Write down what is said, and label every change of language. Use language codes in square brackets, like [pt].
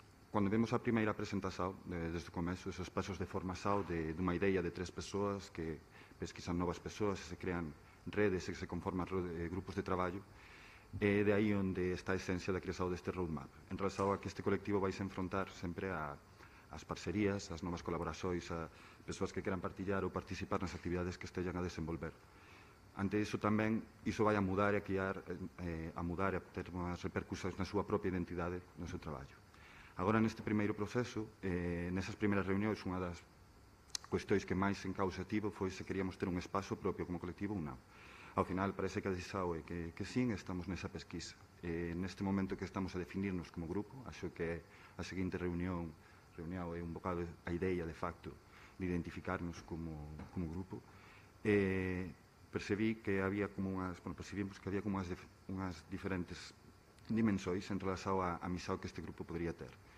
[pt] Quando vemos a primeira apresentação, desde o começo, esses passos de formação de uma ideia de 3 pessoas que pesquisam novas pessoas, se criam redes e se conformam grupos de trabalho, é de aí onde está a essência da criação deste roadmap. Em relação a que este coletivo vai se enfrentar sempre as parcerias, as novas colaborações, a pessoas que queiran partilhar ou participar nas actividades que estejan a desenvolver. [gl] Ante iso tamén, iso vai a mudar e a ter unhas repercusións na súa propia identidade, no seu traballo. Agora, neste primeiro proceso, nessas primeiras reunións, unha das cuestións que máis en causa tivo foi se queríamos ter un espazo propio como colectivo ou non. [pt] Ao final, parece que a DISAU é que sim, estamos nessa pesquisa. E neste momento que estamos a definir-nos como grupo, acho que a seguinte reunião é um bocado a ideia, de facto, de identificar-nos como grupo. E percebemos que havia umas diferentes dimensões em relação à missão que este grupo poderia ter.